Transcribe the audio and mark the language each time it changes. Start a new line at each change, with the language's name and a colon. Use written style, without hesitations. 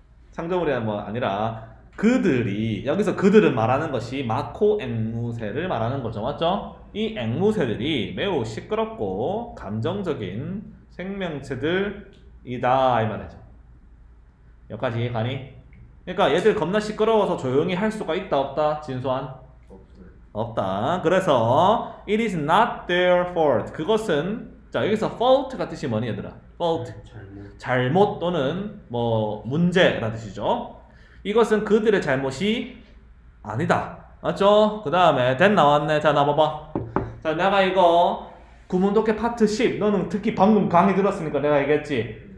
Korean: 창조물이 뭐 아니라 그들이, 여기서 그들은 말하는 것이 마코 앵무새를 말하는 거죠. 맞죠? 이 앵무새들이 매우 시끄럽고 감정적인 생명체들이다. 이 말이죠. 여기까지 가니? 그러니까 얘들 겁나 시끄러워서 조용히 할 수가 있다 없다? 진수한? 없다. 그래서
English: it is not their fault.
Korean: 그것은 자 여기서 fault가 뜻이 뭐니 얘들아? fault 잘못 또는 뭐 문제라는 뜻이죠. 이것은 그들의 잘못이 아니다. 맞죠? 그 다음에 then 나왔네. 자 나봐봐. 자 내가 이거 구문독해 파트 10 너는 특히 방금 강의 들었으니까 내가 얘기했지.